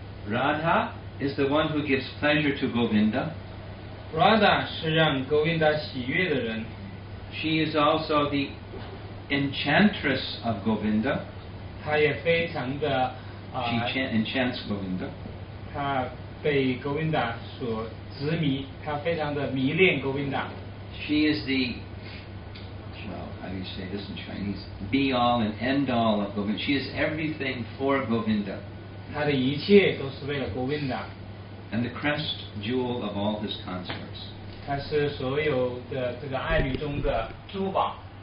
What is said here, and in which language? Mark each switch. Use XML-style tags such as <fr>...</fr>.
<en>Radha is the one who gives pleasure to Govinda.</en> <zh>Radha 是让 Govinda 喜悦的人。</zh> <en>She is also the enchantress of Govinda.</en> <zh>她也非常的</zh> <en>She enchants Govinda.</en> <zh>她被 Govinda 所执迷，她非常的迷恋 Govinda。</zh> <en>She is the, well, how do you say this in Chinese? Be all and end all of Govinda. She is everything for Govinda.</en> <zh>她的一切都是为了 Govinda。</zh> <en>And the crest jewel of all his consorts.</en> <zh>她是所有的这个爱侣中的珠宝。</zh>